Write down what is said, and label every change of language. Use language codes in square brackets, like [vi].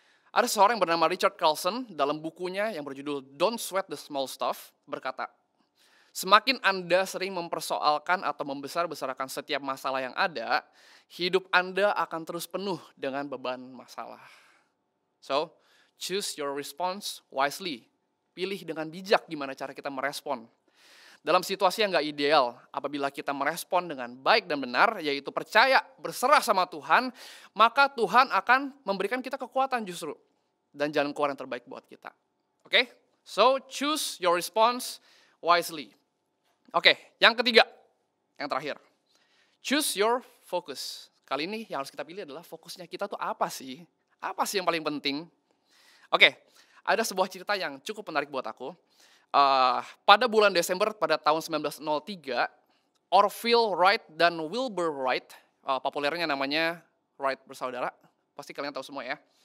[id] Ada seorang yang bernama Richard Carlson dalam bukunya yang berjudul Don't Sweat the Small Stuff berkata, semakin Anda sering mempersoalkan atau membesar-besarkan setiap masalah yang ada, hidup Anda akan terus penuh dengan beban masalah. [en] So, choose your response wisely. [id] Pilih dengan bijak gimana cara kita merespon. Dalam situasi yang gak ideal, apabila kita merespon dengan baik dan benar, yaitu percaya, berserah sama Tuhan, maka Tuhan akan memberikan kita kekuatan justru. Dan jalan keluar yang terbaik buat kita. Okay? [en] So, choose your response wisely. [id] Okay, yang ketiga, yang terakhir. [en] Choose your focus. [id] Kali ini yang harus kita pilih adalah fokusnya kita tuh apa sih? Apa sih yang paling penting? Oke, ada sebuah cerita yang cukup menarik buat aku. Pada bulan Desember pada tahun 1903, Orville Wright dan Wilbur Wright, populernya namanya Wright bersaudara, pasti kalian tahu semua ya.